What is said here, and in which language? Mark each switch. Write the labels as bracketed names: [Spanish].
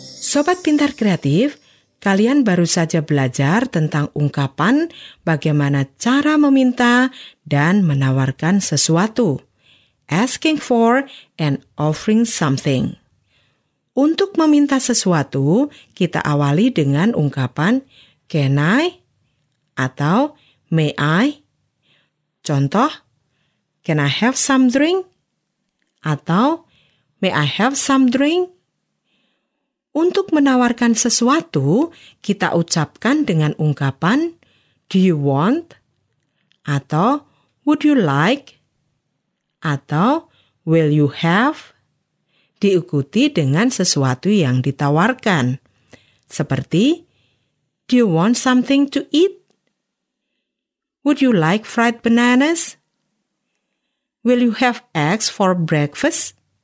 [Indonesian] Sobat Pintar Kreatif, kalian baru saja belajar tentang ungkapan bagaimana cara meminta dan menawarkan sesuatu. [English] Asking for and offering something. [Indonesian] Untuk meminta sesuatu, kita awali dengan ungkapan [English] can I [Indonesian] atau [English] may I. [Indonesian] Contoh, [English] can I have some drink? [Indonesian] Atau [English] may I have some drink? [Indonesian] Untuk menawarkan sesuatu, kita ucapkan dengan ungkapan [English] do you want? [Indonesian] Atau [English] would you like? Atau will you have? [Indonesian] Diikuti dengan sesuatu yang ditawarkan. Seperti [English] do you want something to eat? Would you like fried bananas? Will you have eggs for breakfast?